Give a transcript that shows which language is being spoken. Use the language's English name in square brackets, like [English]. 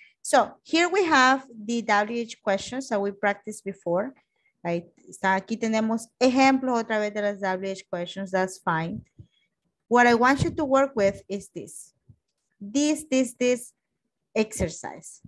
[English] So here we have the WH questions that we practiced before. Right? [Spanish] So aquí tenemos ejemplos otra vez de las WH questions. [English] That's fine. What I want you to work with is this exercise.